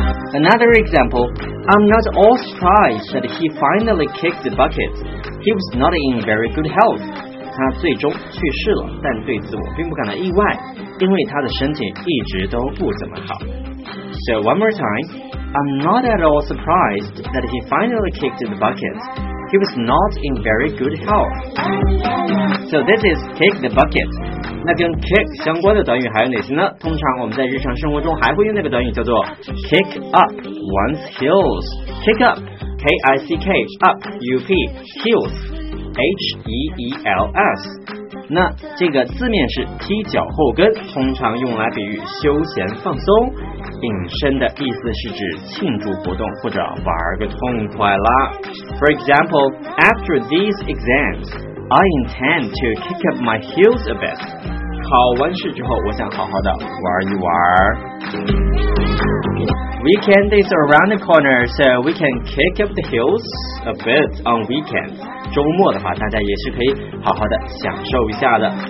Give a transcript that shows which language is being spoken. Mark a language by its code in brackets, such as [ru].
[en] Another example, I'm not all surprised that he finally kicked the bucket. He was not in very good health. [zh] 他最终去世了，但对此我并不感到意外，因为他的身体一直都不怎么好。 [en] So one more time, I'm not at all surprised that he finally kicked the bucket. He was not in very good health. So this is kick the bucket. [zh] 那跟 kick 相关的短语还有哪些呢？通常我们在日常生活中还会用那个短语叫做 kick up one's heels. [en] Kick up, K-I-C-K, up, U-P, heels, H-E-E-L-S. [zh] 那这个字面是踢脚后跟，通常用来比喻休闲放松。引申的意思是指庆祝活动或者玩个痛快啦。 [en] For example, after these exams,I intend to kick up my heels a bit. [zh] 考完试之后，我想好好的玩一玩。 [en] Weekend is around the corner, so we can kick up the heels a bit on weekends. [zh] 周末的话，大家也是可以好好的享受一下的。